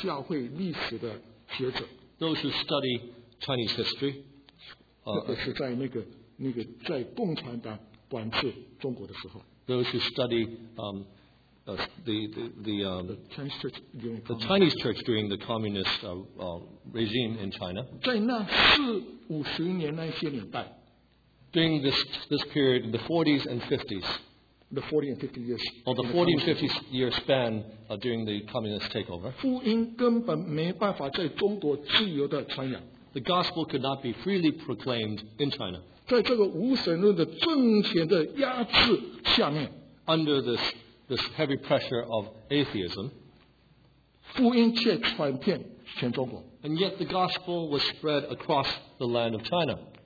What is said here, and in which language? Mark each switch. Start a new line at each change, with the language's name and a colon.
Chinese: 这些研究中国教会历史的学者,
English: those who study Chinese history,
Chinese: 特别是在共产党管制中国的时候,
English: those who study the Chinese church during the communist regime in China,
Chinese: 在那四五十年那些年代,
English: during this period in the 40s and 50s, the 40 and 50 years, or the 40 and 50 year span during the communist takeover,
Chinese: 福音根本没办法在中国自由的传扬。
English: The gospel could not be freely proclaimed in China.
Chinese: 在这个无神论的政权的压制下面,
English: under this heavy pressure of atheism,
Chinese: 福音却传遍全中国。
English: And yet the gospel was spread across the land of China.